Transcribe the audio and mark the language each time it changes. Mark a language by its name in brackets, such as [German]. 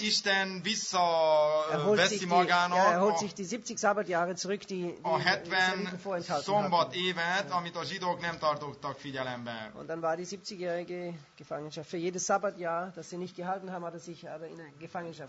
[Hungarian] Isten visszaveszi magának. [German] Er holt sich die 70 Sabbatjahre zurück, die [Hungarian] a 70 szombat évet, amit a zsidók nem tartottak figyelembe. [German] Und dann war die 70-jährige Gefangenschaft. Für jedes Sabbatjahr, das sie nicht gehalten haben, hat er sich in eine Gefangenschaft.